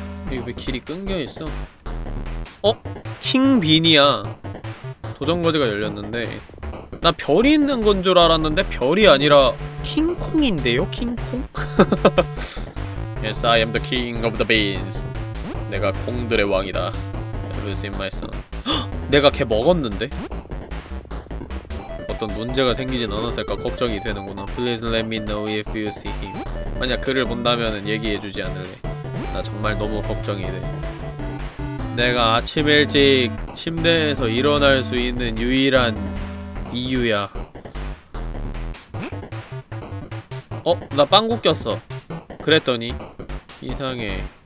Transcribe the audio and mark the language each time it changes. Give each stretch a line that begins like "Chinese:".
Korean: 이게 왜 길이 끊겨 있어? 어? 킹빈이야. 도전거지가 열렸는데 나 별이 있는 건 줄 알았는데 별이 아니라 킹콩인데요? 킹콩?
English: Yes, I am the king of the beans.
Korean: 내가 콩들의 왕이다.
English: Ever since my son.
Korean: 내가 걔 먹었는데? 어떤 문제가 생기진 않았을까 걱정이 되는구나.
English: Please let me know if you see him.
Korean: 만약 그를 본다면은 얘기해주지 않을래. 나 정말 너무 걱정이 돼. 내가 아침 일찍 침대에서 일어날 수 있는 유일한 이유야. 어? 나 빵 굽겼어. 그랬더니 이상해.